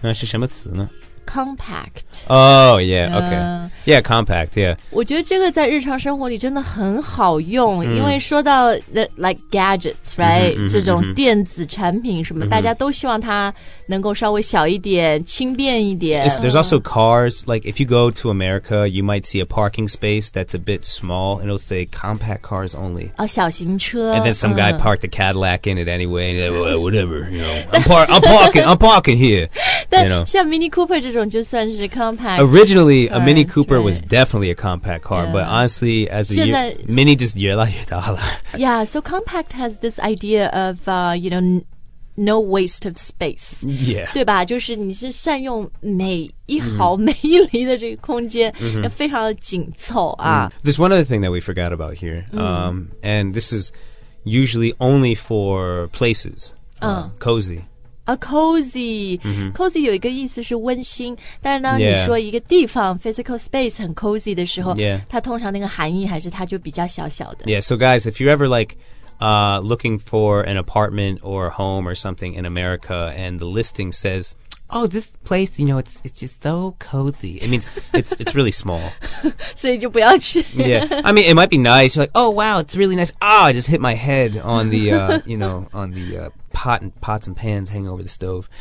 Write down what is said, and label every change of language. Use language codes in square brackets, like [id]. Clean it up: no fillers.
[zh] 那是什么词呢？ [en] Compact. Oh, yeah, okay. Yeah, compact, yeah. [zh] 我觉得这个在日常生活里真的很好用、mm. 因为说到 [en] like gadgets, right? [zh] Mm-hmm, 这种电子产品什么、mm-hmm. 大家都希望它能够稍微小一点轻便一点 [en] There's also cars. Like if you go to America, you might see a parking space that's a bit small and it'll say compact cars only. [zh] 哦、小型车 [en] And then some guy parked a Cadillac in it anyway. And like, well, whatever, you know. I'm parking here. You know. [zh] 像 Mini Cooper这种就算是 compact [en] originally cars, a Mini Cooper、right. was definitely a compact car、yeah. but honestly as the Mini just [zh] 越来越大了 [en] yeah so compact has this idea of you know no waste of space yeah [zh] 对吧就是你是善用每一毫每一厘的这个空间、mm-hmm. 非常的紧凑啊、mm. [en] there's one other thing that we forgot about here、mm. And this is usually only for places cozy A cozy、 mm-hmm. [zh] Cozy 有一个意思是温馨但是呢、yeah. 你说一个地方 Physical space 很 cozy 的时候、 [en] yeah. [zh] 它通常那个含义还是它就比较小小的 [en] Yeah, so guys If you're ever like looking for an apartment or a home or something in America, and the listing says, oh, this place, you know, it's just so cozy. It means it's really small. [zh] 所以就不要去。 [en] Yeah. I mean, it might be nice. You're like, oh, wow, it's really nice. Ah, I just hit my head on the, you know, on the pots and pans hanging over the stove.